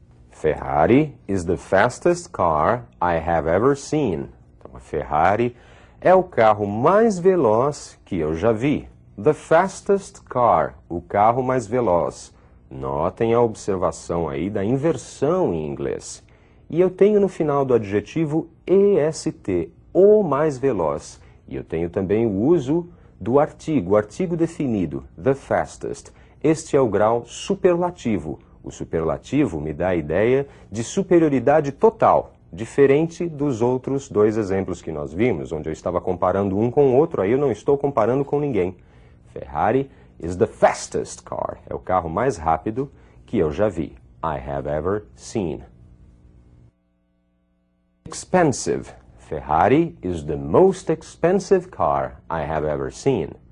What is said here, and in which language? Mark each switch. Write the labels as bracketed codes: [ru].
[en] Ferrari is the fastest car I have ever seen. [pt] Então, a Ferrari é o carro mais veloz que eu já vi. [en] The fastest car, [pt] o carro mais veloz. Notem a observação aí da inversão em inglês. E eu tenho no final do adjetivo EST, o mais veloz. E eu tenho também o uso do artigo, o artigo definido, the fastest. Este é o grau superlativo. O superlativo me dá a ideia de superioridade total, diferente dos outros dois exemplos que nós vimos, onde eu estava comparando um com o outro, aí eu não estou comparando com ninguém. [en] Ferrari is the fastest car. [pt] É o carro mais rápido que eu já vi. [en] I have ever seen. Expensive. Ferrari is the most expensive car I have ever seen.